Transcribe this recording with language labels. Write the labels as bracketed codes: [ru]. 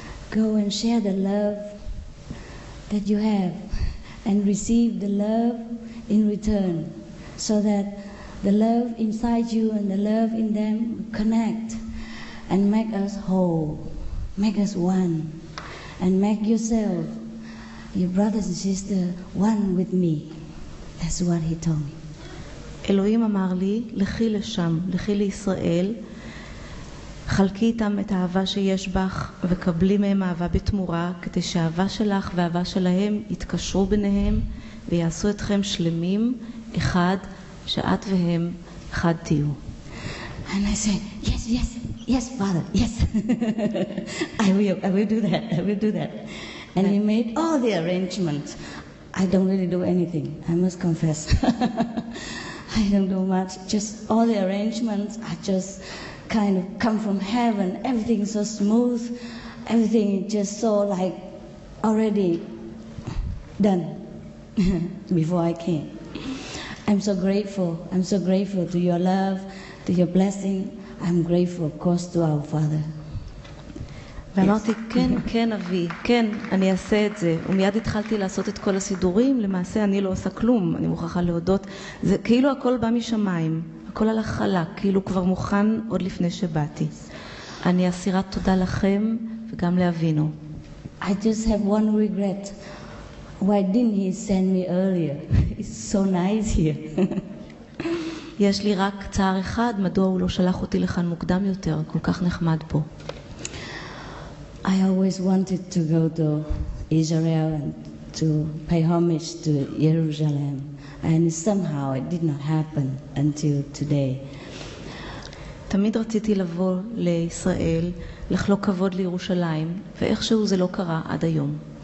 [en] Go and share the love that you have and receive the love in return so that the love inside you and the love in them connect and make us whole, make us one, and make yourself, your brothers and sisters, one with me. That's what he told me. [he] Elohim אמר לי, לכי לשם, לכי לישראל, חלקי איתם את האהבה שיש בך וקבלי מהם אהבה בתמורה, כדי שהאהבה שלך ואהבה שלהם יתקשרו ביניהם ויעשו אתכם שלמים, אחד, שאת והם חד תהיו. [en] And I said, yes, father, yes. I will do that. And he made all the arrangements. I don't really do anything, I must confess. I don't do much, just all the arrangements are just kind of come from heaven. Everything is so smooth, everything just so like already done before I came. I'm so grateful to your love, to your blessing. I'm grateful, of course, to our Father. [he] ואמרתי, כן, אבי, כן, אני אעשה את זה. ומיד התחלתי לעשות את כל הסידורים, למעשה אני לא עושה כלום, אני מוכרחה להודות. זה כאילו הכל בא משמיים, הכל הלך חלק, כאילו כבר מוכן עוד לפני שבאתי. אני אסירת תודה לכם וגם לאבינו. [en] I just have one regret. Why didn't he send me earlier? It's so nice here. [he] יש לי רק צער אחד, מדוע הוא לא שלח אותי לכאן מוקדם יותר, כל כך נחמד פה. [en] I always wanted to go to Israel and to pay homage to Jerusalem, and somehow it did not happen until today. [he] תמיד רציתי לבוא לישראל, לחלוק כבוד לירושלים, ואיכשהו זה לא קרה עד היום.